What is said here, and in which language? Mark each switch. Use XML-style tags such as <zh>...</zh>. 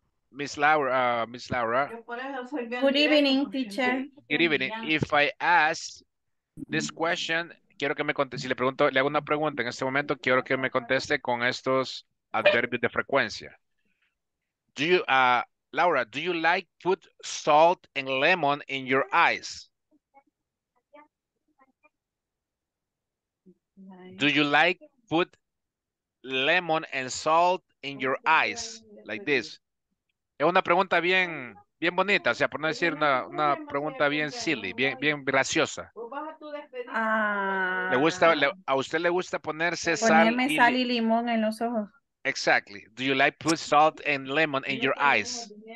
<en>Miss Laura. Good evening, teacher. Good evening. If I ask this question,</en> <es>quiero que me conteste. Si le pregunto, le hago una pregunta en este momento, quiero que me conteste con estos adverbios de frecuencia.</es> <en>Laura, do you like put salt and lemon in your eyes? Do you like put lemon and salt in your eyes? Like this.</en> <es>Es una pregunta bien, bien bonita. O sea, por no decir una pregunta bien silly, bien, bien graciosa. ¿Le gusta, a usted le gusta ponerse sal, ponerme y, sal y limón en los ojos?</es> <en>Exactly. Do you like put salt and lemon in your eyes?</en>